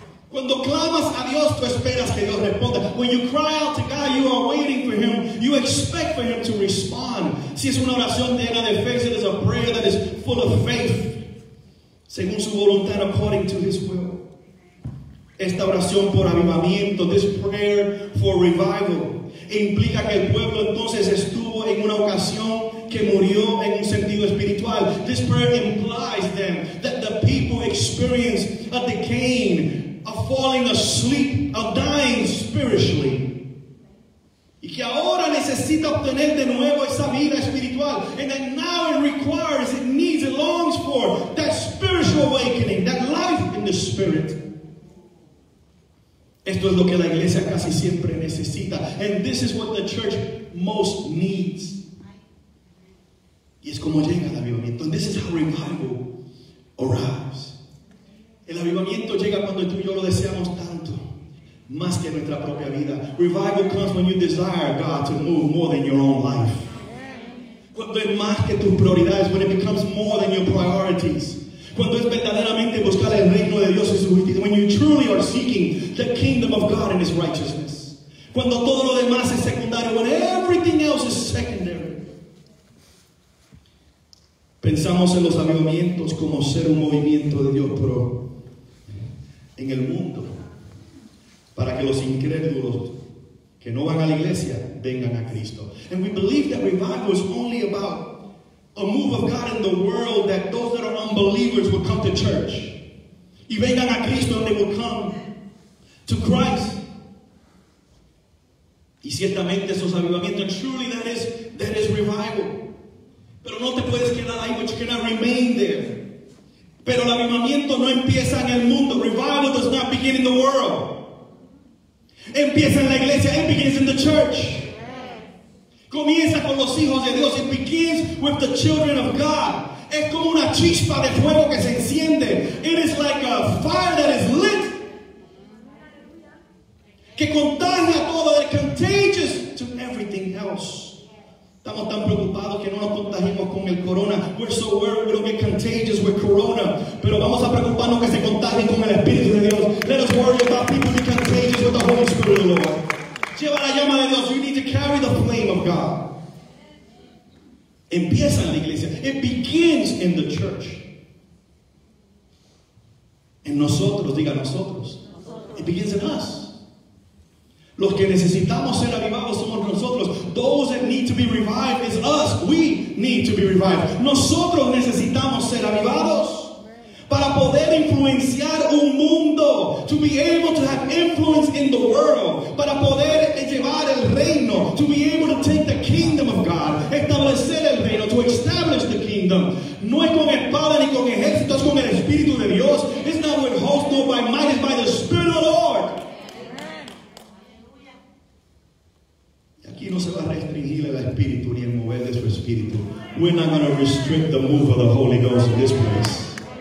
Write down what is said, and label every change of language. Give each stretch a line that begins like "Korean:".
Spanish: Cuando clamas a Dios, tú esperas que Dios responda.
English: When you cry out to God, you are waiting for him. You expect for him to respond.
Spanish: Si es una oración llena de fe,
English: it is a prayer that is full of faith.
Spanish: Según su voluntad,
English: according to his will.
Spanish: Esta oración por avivamiento,
English: this prayer for revival,
Spanish: implica que el pueblo entonces estuvo en una ocasión que murió en un sentido espiritual.
English: This prayer implies then that the people experienced a decaying, a falling asleep, a dying spiritually.
Spanish: Y que ahora necesita obtener de nuevo esa vida espiritual.
English: And that now it requires, it needs, it longs for that spiritual awakening, that life in the spirit.
Spanish: Esto es lo que la iglesia casi siempre necesita.
English: And this is what the church most needs.
Spanish: Y es como llega el avivamiento.
English: And this is how revival arrives.
Spanish: El avivamiento llega cuando tú y yo lo deseamos tanto. Más que nuestra propia vida.
English: Revival comes when you desire God to move more than your own life.
Spanish: Cuando es más que tus prioridades.
English: When it becomes more than your priorities.
Spanish: Cuando es verdaderamente buscar el reino de Dios y su justicia.
English: When you truly are seeking the kingdom of God and his righteousness.
Spanish: Cuando todo lo demás es secundario.
English: When everything else is secondary.
Spanish: Pensamos en los avivamientos como ser un movimiento de Dios, pero en el mundo. Para que los incrédulos que no van a la iglesia vengan a Cristo.
English: And we believe that revival is only about a move of God in the world, that those that are unbelievers will come to church.
Spanish: Y vengan a Cristo,
English: and they will come to Christ.
Spanish: Y ciertamente esos avivamientos,
English: truly that is revival.
Spanish: Pero no te puedes quedar ahí,
English: but you cannot remain there.
Spanish: Pero el avivamiento no empieza en el mundo.
English: Revival does not begin in the world.
Spanish: Empieza en la iglesia.
English: It begins in the church.
Spanish: Comienza con los hijos de Dios.
English: It begins with the children of God.
Spanish: Es como una chispa de fuego que se enciende.
English: It is like a fire that is lit.
Spanish: Que contagia todo.
English: It contagious to everything else.
Spanish: Estamos tan preocupados que no nos contagiemos con el corona.
English: We're so worried we don't get contagious with corona.
Spanish: pero vamos a preocuparnos que se contagien con el Espíritu de Dios.
English: Let us worry about people being contagious with the Holy Spirit of the Lord.
Spanish: Lleva la llama de Dios.
English: You need to carry the flame of God.
Spanish: Empieza en la iglesia.
English: It begins in the church.
Spanish: En nosotros, diga nosotros.
English: It begins in us.
Spanish: Los que necesitamos ser avivados somos nosotros.
English: Those that need to be revived is us. We need to be revived.
Spanish: Nosotros necesitamos ser avivados para poder influenciar un mundo.
English: To be able to have influence in the world.
Spanish: Para poder llevar el reino.
English: To be able to take the kingdom of God.
Spanish: Establecer el reino.
English: To establish the kingdom.
Spanish: No es con espada ni con ejército. Es con el Espíritu de Dios.
English: It's not with hosts nor by might. It's by the Spirit of the Lord.
Spanish: Aquí no se va a restringir el Espíritu ni el mover de su Espíritu.
English: We're not going to restrict the move of the Holy Ghost in this place.